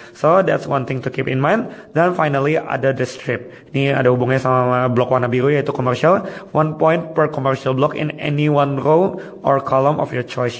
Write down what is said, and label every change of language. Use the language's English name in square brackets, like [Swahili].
[English] So that's one thing to keep in mind. [Indonesian] Dan finally ada [English] The Strip. [Indonesian] Ini ada hubungannya sama blok warna biru, yaitu commercial. [English] 1 point per commercial block in any one row or column of your choice.